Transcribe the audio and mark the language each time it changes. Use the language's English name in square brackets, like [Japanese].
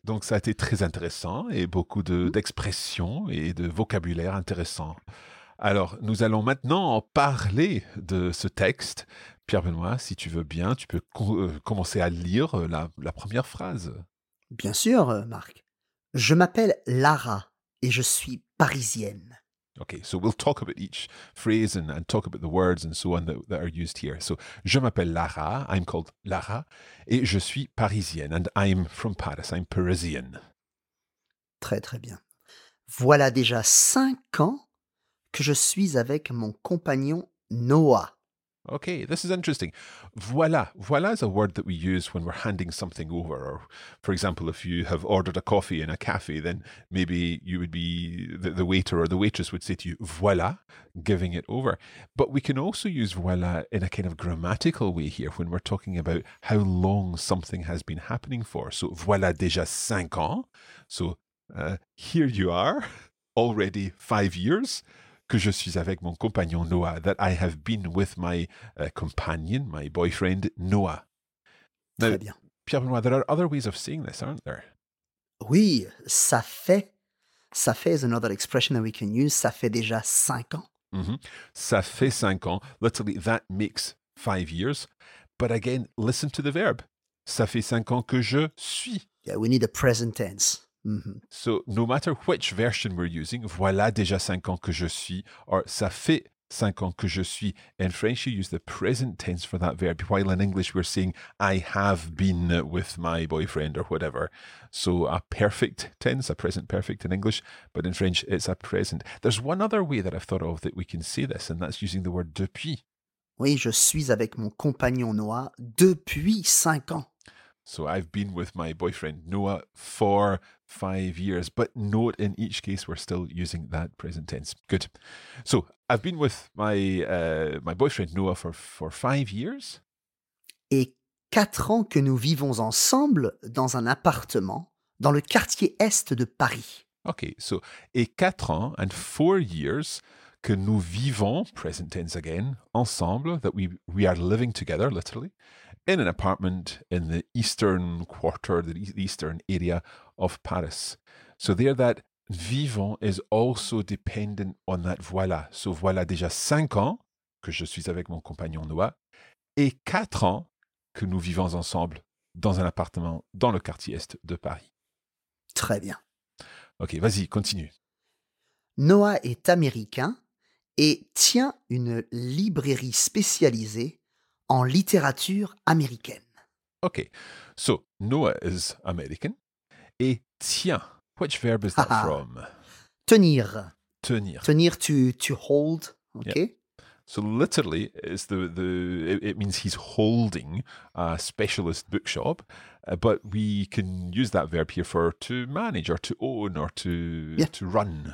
[French] Donc, ça a été très intéressant et beaucoup d'expressions et de vocabulaire intéressant. Alors, nous allons maintenant en parler de ce texte. Pierre-Benoît, si tu veux bien, tu peux commencer à lire la première phrase. Bien sûr, Marc. Je m'appelle Lara et je suis parisienne. [English] Okay, so we'll talk about each phrase and talk about the words and so on that are used here. So, [French] je m'appelle Lara, [English] I'm called Lara, [French] et je suis parisienne, [English] and I'm from Paris, I'm Parisian. [French] Très, très bien. Voilà déjà 5 ans que je suis avec mon compagnon Noah. [English] Okay, this is interesting. Voilà. Voilà is a word that we use when we're handing something over. Or, for example, if you have ordered a coffee in a cafe, then maybe you would be, the waiter or the waitress would say to you, voilà, giving it over. But we can also use voilà in a kind of grammatical way here when we're talking about how long something has been happening for. So, [French] voilà déjà 5 ans. [English] So, here you are, already 5 years. [French] Que je suis avec mon compagnon Noah, [English] that I have been with my companion, my boyfriend, Noah. Now, [French] très bien. [English] Pierre-Benoît, there are other ways of saying this, aren't there? [French] Oui, ça fait. Ça fait [English] is another expression that we can use. [French] Ça fait déjà 5 ans. Mm-hmm. Ça fait 5 ans. [English] Literally, that makes 5 years. But again, listen to the verb. [French] Ça fait 5 ans que je suis. [English] Yeah, we need a present tense. Mm-hmm. So, no matter which version we're using, [French] voilà déjà 5 ans que je suis, [English] or [French] ça fait 5 ans que je suis. [English] In French, you use the present tense for that verb, while in English, we're saying, I have been with my boyfriend or whatever. So, a perfect tense, a present perfect in English, but in French, it's a present. There's one other way that I've thought of that we can say this, and that's using the word depuis. [French] Oui, je suis avec mon compagnon Noah depuis 5 ans. [English] So I've been with my boyfriend Noah for 5 years. But note, in each case, we're still using that present tense. Good. So I've been with my boyfriend Noah for 5 years. [French] Et 4 ans que nous vivons ensemble dans un appartement dans le quartier est de Paris. [English] Okay, so [French] et 4 ans [English] and 4 years [French] que nous vivons, [English] present tense again, [French] ensemble, [English] that we are living together, literally, in an apartment in the eastern quarter, the eastern area of Paris. So there, that vivant is also dependent on that voilà. So [French] voilà déjà 5 ans que je suis avec mon compagnon Noah et 4 ans que nous vivons ensemble dans un appartement dans le quartier est de Paris. Très bien. Ok, vas-y, continue. Noah est américain et tient une librairie spécialisée en littérature américaine. [English] Okay, so Noah is American. [French] Et tient, [English] which verb is that from? [French] Tenir. Tenir. [English] Tenir, to hold, okay? Yeah. So literally, it's it means he's holding a specialist bookshop, but we can use that verb here for to manage or to own or to run.